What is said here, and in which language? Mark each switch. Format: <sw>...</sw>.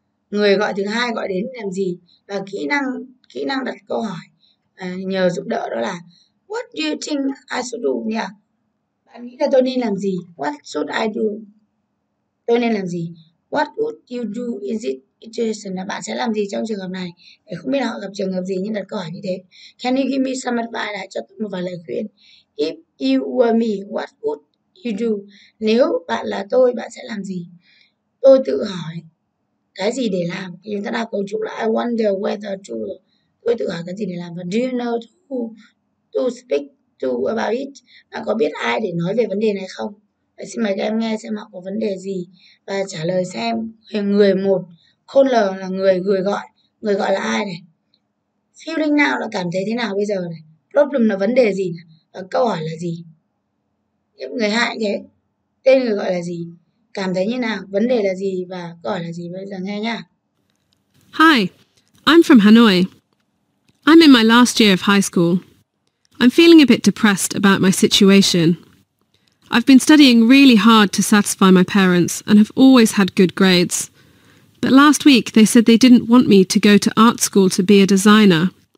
<vi>Người gọi thứ hai gọi đến làm gì? Và kỹ năng đặt câu hỏi nhờ giúp đỡ đó là</vi> <en>What do you think I should do</en> <vi>nhỉ? Bạn nghĩ là tôi nên làm gì?</vi> <en>What should I do?</en> <vi>Tôi nên làm gì?</vi> <en>What would you do in this situation?</en> <vi>Là bạn sẽ làm gì trong trường hợp này? Để không biết là họ gặp trường hợp gì nhưng đặt câu hỏi như thế.</vi> <en>Can you give me some advice?</en> <vi>Là cho tôi một vài lời khuyên.</vi> <en>If you were me, what would you do?</en> <vi>Nếu bạn là tôi, bạn sẽ làm gì? Tôi tự hỏi cái gì để làm. Thì chúng ta đọc câu chung là</vi> <en>I wonder whether to.</en> <vi>Tôi tự hỏi cái gì để làm. Và</vi> <en>do you know who to speak to about it?</en> <vi>Bạn có biết ai để nói về vấn đề này không? Vậy xin mời các em nghe xem họ có vấn đề gì và trả lời xem. Người một, caller là người người gọi. Người gọi là ai này? Feeling nào là cảm thấy thế nào bây giờ này? Problem là vấn đề gì này? Và câu hỏi là gì? Người hại thế, tên người gọi là gì, cảm thấy như nào, vấn đề là gì và gọi là gì, bây giờ nghe nhá.</vi> <en>Hi, I'm from Hanoi. I'm in my last year of high school. I'm feeling a bit depressed about my situation. I've been studying really hard to satisfy my parents and have always had good grades. But last week they said they didn't want me to go to art school to be a designer.</en>